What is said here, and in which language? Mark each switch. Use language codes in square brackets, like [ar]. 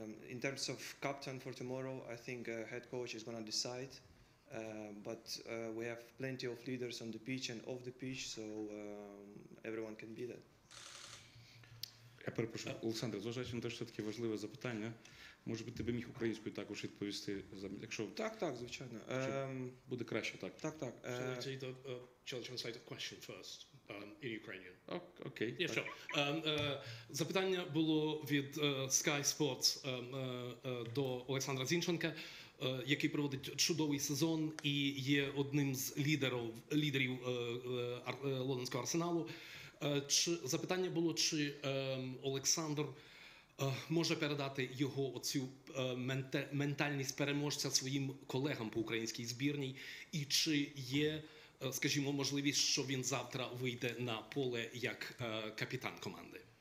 [en] In terms of captain for tomorrow, I think head coach is going to decide, but we have plenty of leaders on the pitch and off the pitch, so everyone can be that. [uk] Я перепрошую, Олександр, зважаючи на те, що таке важливе запитання, може би, ти би міг українською також відповісти, якщо... Так, звичайно. Буде краще, так. Так. [en] So let's see the translated question first in Ukrainian. [uk] Окей. [en] Yeah, sure. [uk] Запитання було від Sky Sports до Олександра Зінченка, який проводить чудовий сезон і є одним з лідерів Лондонського Арсеналу. Запитання було, чи Олександр може передати його оцю ментальність переможця своїм колегам по українській збірній, і чи є, скажімо, можливість, що він завтра вийде на поле як капітан команди?